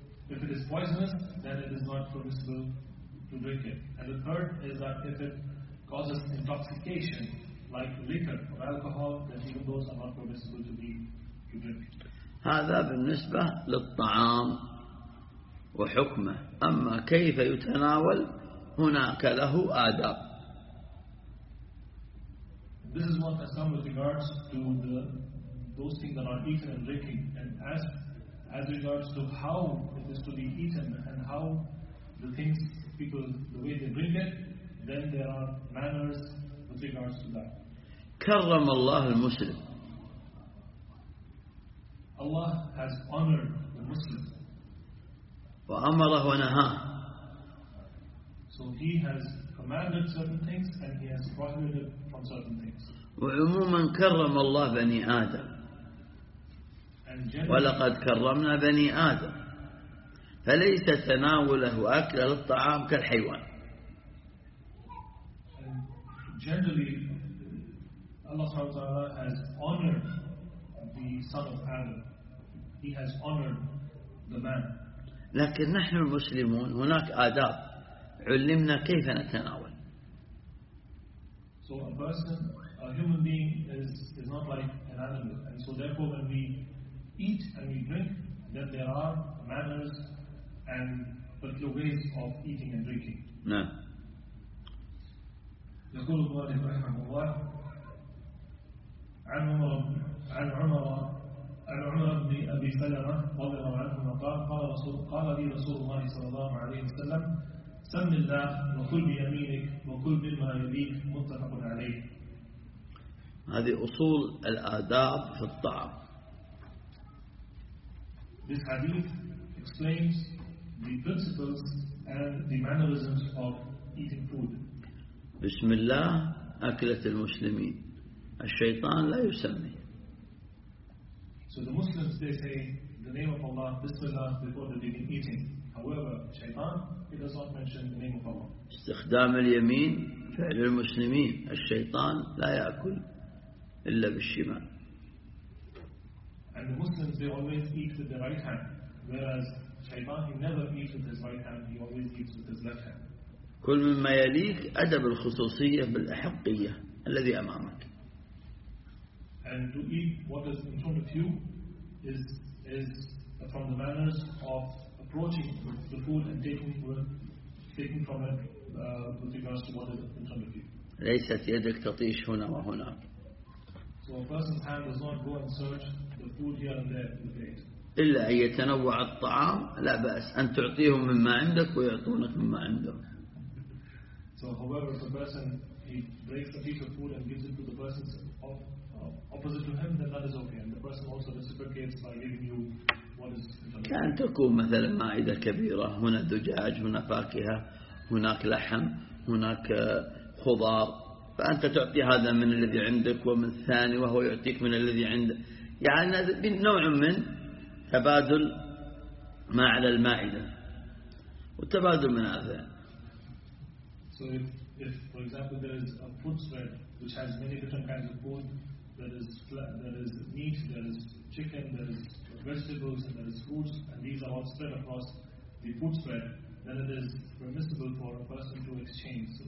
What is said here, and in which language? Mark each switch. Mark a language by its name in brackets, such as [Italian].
[English] If it is poisonous, then it is not permissible to drink it. And the third is that if it causes intoxication, like liquor or alcohol, then even those are not permissible to drink. [Arabic] هذا بالنسبة للطعام وحكمه. أما كيف يتناول هناك له آداب. [English] This is what has come with regards to those things that are eaten and drinking, and as regards to how it is to be eaten and how the things people the way they drink it, then there are manners with regards to that. [Arabic] كرم الله المسلم. [English] Allah has honored the Muslim. [Arabic] وأمره ونهاه. [English] So He has commanded certain things and He has prohibited from certain things. [Arabic] وعموما كرم الله بني آدم. ولقد كرمنا بني آدم فليس تناوله أكل الطعام كالحيوان. [English] And generally, Allah SWT has honored the son of Adam. He has honored the man. [Arabic] لكن نحن المسلمون هناك آداب علمنا كيف نتناول. [English] So a person, a human being is not like an animal, and so therefore when we eat and we drink, then there are manners and particular ways of eating and drinking. No. [Arabic] يقول الله رحمه الله عن عمر بن أبي سلمة رضي الله عنه قال لي رسول الله صلى الله عليه وسلم سم الله وكل بيمينك وكل بما يليك متفق عليه. هذه أصول الآداب في الطعام. [English] This hadith explains the principles and the mannerisms of eating food. [Arabic] بسم الله أكلة المسلمين. الشيطان لا يسمي. [English] So the Muslims, they say the name of Allah, Bismillah, before they begin eating. However, Shaitan, he does not mention the name of Allah. [Arabic] استخدام اليمين فعل المسلمين. الشيطان لا يأكل إلا بالشمال. [English] And the Muslims, they always eat with their right hand. Whereas Shaitan, he never eats with his right hand. He always eats with his left hand. [Arabic] كل مما يليك أدب الخصوصية بالأحقية الذي أمامك. [English] And to eat what is in front of you is from the manners of approaching the food and taking from it with regards to what is in front of you. [Arabic] ليست يدك تطيش هنا وهناك. [English] So a person's hand does not go and search the food here and there to the plate. [Arabic] إلا أن يتنوع الطعام لا بأس أن تعطيهم مما عندك ويعطونك مما عندهم. [English] So however, if a person he breaks a piece of food and gives it to the person opposite to him, then that is okay. And the person also reciprocates by giving you what is. [Arabic] كان تكون مثلا مائدة كبيرة هنا دجاج هنا فاكهة هناك لحم هناك خضار فأنت تعطي هذا من الذي عندك ومن الثاني وهو يعطيك من الذي عنده يعني نوع من تبادل ما على المائدة والتبادل من هذا. [English] So if for example there is a food spread which has many different kinds of food, there is meat, there is chicken, there is vegetables and there is fruits, and these are all spread across the food spread, then it is permissible for a person to exchange.